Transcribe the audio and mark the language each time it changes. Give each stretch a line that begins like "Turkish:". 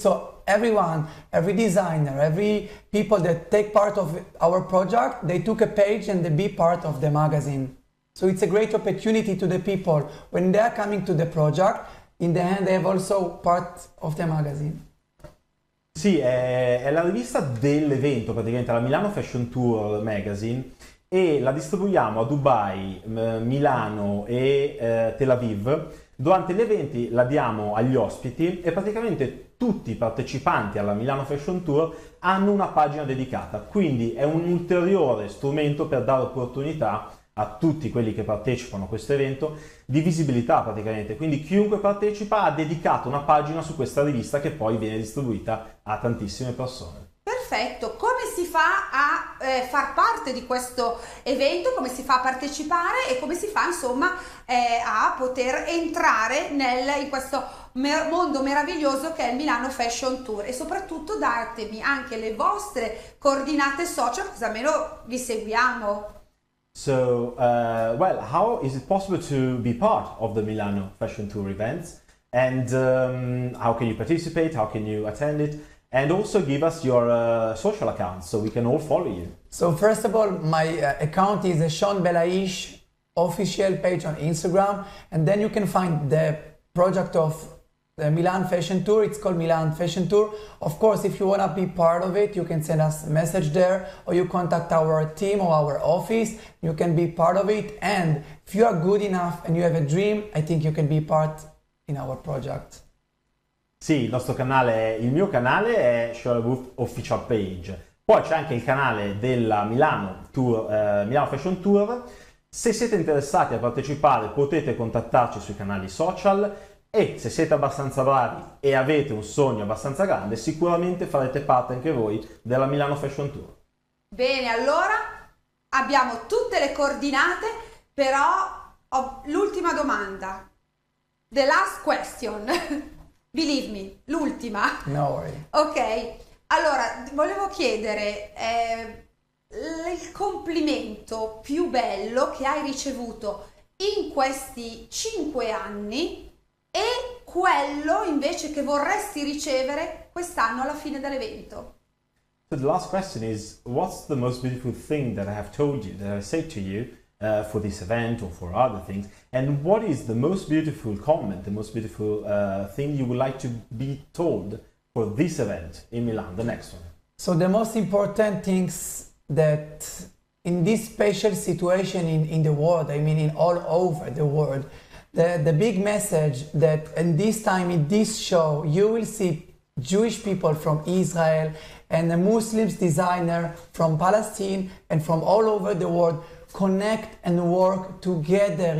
English: So everyone, every designer, every people that take part of our project, they took a page and they be part of the magazine. So it's a great opportunity to the people when they are coming to the project. In the end, they have also part of the magazine.
Italian: Sì, è la rivista dell'evento, praticamente la Milano Fashion Tour Magazine, e la distribuiamo a Dubai, Milano e Tel Aviv. Durante gli eventi la diamo agli ospiti e praticamente tutti i partecipanti alla Milano Fashion Tour hanno una pagina dedicata. Quindi è un ulteriore strumento per dare opportunità a tutti quelli che partecipano a questo evento di visibilità praticamente. Quindi chiunque partecipa ha dedicato una pagina su questa rivista che poi viene distribuita a tantissime persone. Perfetto, come si fa a far parte di questo evento, come si fa a partecipare e come si fa insomma a poter entrare in questo mondo meraviglioso che è il Milano Fashion Tour, e soprattutto datemi anche le vostre coordinate social, così almeno vi seguiamo. So, how is it possible to be part of the Milano Fashion Tour events, and how can you participate, how can you attend it, and also give us your social accounts so we can all follow you? So first of all, my account is a Sean Belaish official page on Instagram, and then you can find the project of the Milan Fashion Tour. It's called Milan Fashion Tour. Of course, if you want to be part of it, you can send us a message there, or you contact our team or our office. You can be part of it. And if you are good enough and you have a dream, I think you can be part in our project. Sì, il nostro canale, il mio canale è Sherwood Official Page. Poi c'è anche il canale della Milano Tour, Milano Fashion Tour. Se siete interessati a partecipare, potete contattarci sui canali social. E se siete abbastanza bravi e avete un sogno abbastanza grande, sicuramente farete parte anche voi della Milano Fashion Tour. Bene, allora abbiamo tutte le coordinate, però ho l'ultima domanda.
English: The last question. Believe me,
Italian: l'ultima.
English: No worry.
Italian: Ok, allora volevo chiedere il complimento più bello che hai ricevuto in questi 5 anni e quello invece che vorresti ricevere quest'anno alla fine dell'evento.
English: So the last question is, what's the most beautiful thing that I have told you, that I said to you for this event or for other things, and what is the most beautiful comment, the most beautiful thing you would like to be told for this event in Milan, the next one? So the most important things that in this special situation in the world, I mean in all over the world, The big message that in this time, in this show, you will see Jewish people from Israel and a Muslim designer from Palestine and from all over the world connect and work together.